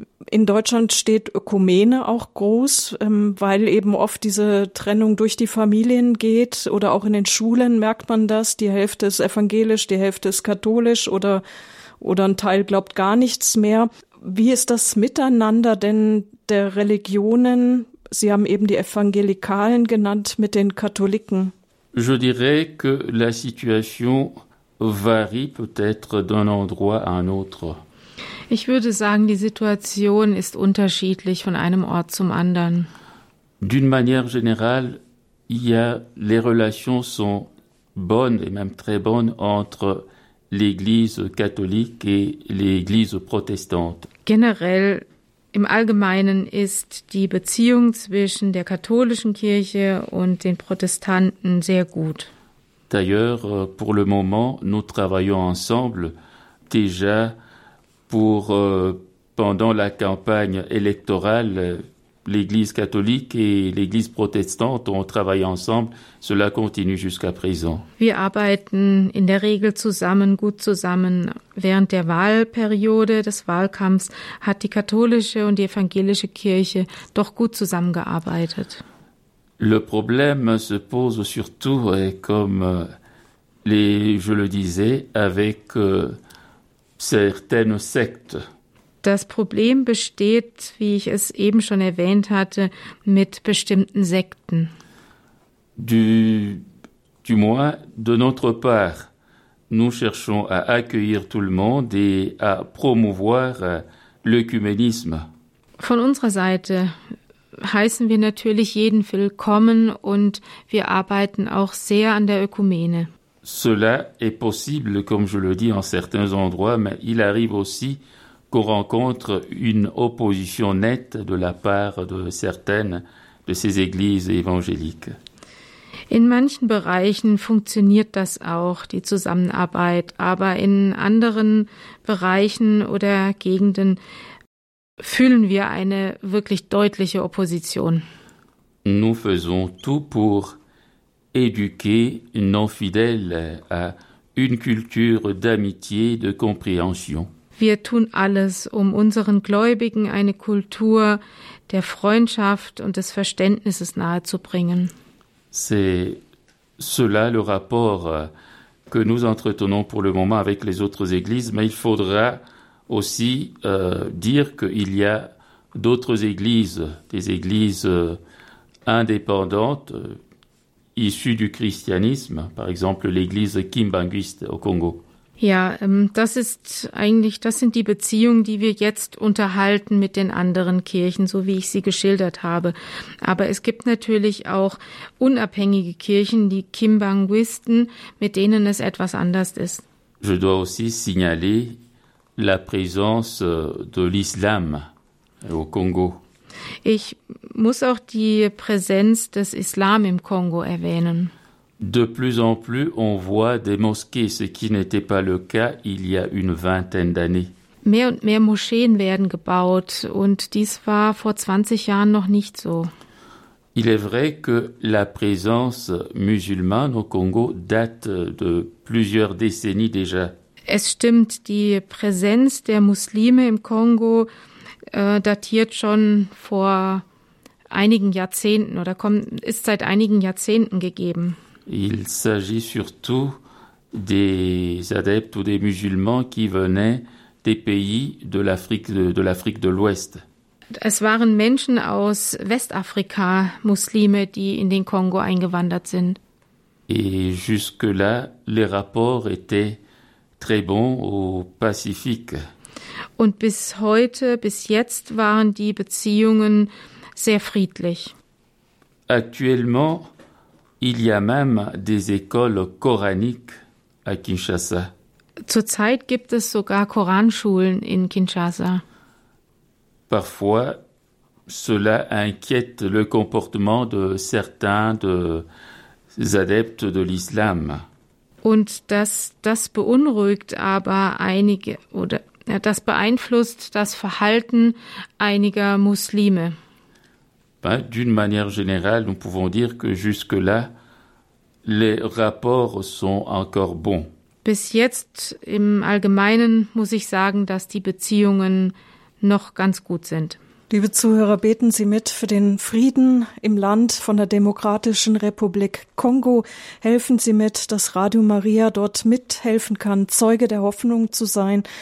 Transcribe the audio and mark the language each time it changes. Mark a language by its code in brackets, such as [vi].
[de] In Deutschland steht Ökumene auch groß, weil eben oft diese Trennung durch die Familien geht oder auch in den Schulen merkt man das. Die Hälfte ist evangelisch, die Hälfte ist katholisch oder ein Teil glaubt gar nichts mehr. Wie ist das Miteinander denn der Religionen? Sie haben eben die Evangelikalen genannt mit den Katholiken. [fr] Je dirais que la situation varie peut-être d'un endroit à un autre. [de] Ich würde sagen, die Situation ist unterschiedlich von einem Ort zum anderen. [fr] D'une manière générale, les relations sont bonnes et même très bonnes entre l'Église catholique et l'Église protestante. [de] Generell, im Allgemeinen ist die Beziehung zwischen der katholischen Kirche und den Protestanten sehr gut. [fr] D'ailleurs, pour le moment, nous travaillons ensemble déjà pour pendant la campagne électorale, l'Église catholique et l'Église protestante ont travaillé ensemble. Cela continue jusqu'à présent. [de] Wir arbeiten in der Regel zusammen, gut zusammen. Während der Wahlperiode des Wahlkampfs hat die katholische und die evangelische Kirche doch gut zusammengearbeitet. [fr] Le problème se pose surtout, comme je le disais, avec certaines sectes. [de] Das Problem besteht, wie ich es eben schon erwähnt hatte, mit bestimmten Sekten. [fr] Du moins, de notre part, nous cherchons à accueillir tout le monde et à promouvoir l'œcuménisme. [de] Von unserer Seite heißen wir natürlich jeden willkommen und wir arbeiten auch sehr an der Ökumene. [fr] Cela est possible, comme je le dis, en certains endroits, mais il arrive aussi qu'on rencontre une opposition nette de la part de certaines de ces églises évangéliques. [de] In manchen Bereichen funktioniert das auch, die Zusammenarbeit, aber in anderen Bereichen oder Gegenden fühlen wir eine wirklich deutliche Opposition. [fr] Nous faisons tout pour éduquer nos fidèles à une culture d'amitié, de compréhension. [de] Wir tun alles, um unseren Gläubigen eine Kultur der Freundschaft und des Verständnisses nahezubringen. [fr] C'est cela le rapport que nous entretenons pour le moment avec les autres églises, mais il faudra aussi dire qu'il y a d'autres églises, des églises indépendantes, issues du christianisme, par exemple l'église kimbanguiste au Congo. [de] Ja, das sind die Beziehungen, die wir jetzt unterhalten mit den anderen Kirchen, so wie ich sie geschildert habe. Aber es gibt natürlich auch unabhängige Kirchen, die Kimbanguisten, mit denen es etwas anders ist. [fr] Je dois aussi signaler la présence de l'islam au Congo. [de] Ich muss auch die Präsenz des Islam im Kongo erwähnen. [fr] De plus en plus, on voit des mosquées, ce qui n'était pas le cas il y a une vingtaine d'années. [de] Mehr und mehr Moscheen werden gebaut und dies war vor 20 Jahren noch nicht so. [fr] Il est vrai que la présence musulmane au Congo date de plusieurs décennies déjà. [de] Es stimmt, die Präsenz der Muslime im Kongo datiert schon vor einigen Jahrzehnten oder ist seit einigen Jahrzehnten gegeben. [fr] Il s'agit surtout des adeptes ou des musulmans qui venaient des pays de l'Afrique de l'Ouest. [de] Es waren Menschen aus Westafrika, Muslime, die in den Kongo eingewandert sind. [fr] Et jusque-là, les rapports étaient très bons au Pacifique. [de] Und bis jetzt waren die Beziehungen sehr friedlich. [fr] Actuellement, il y a même des écoles coraniques à Kinshasa. [de] Zurzeit gibt es sogar Koranschulen in Kinshasa. [fr] Parfois, cela inquiète le comportement de certains des adeptes de l'islam. [de] Und das beunruhigt aber einige oder das beeinflusst das Verhalten einiger Muslime. [fr] Ben, d'une manière générale, nous pouvons dire que jusque-là, les rapports sont encore bons. [de] Bis jetzt im Allgemeinen muss ich sagen, dass die Beziehungen noch ganz gut sind. Liebe Zuhörer, beten Sie mit für den Frieden im Land von der Demokratischen Republik Kongo. Helfen Sie mit, dass Radio Maria dort mithelfen kann, Zeuge der Hoffnung zu sein.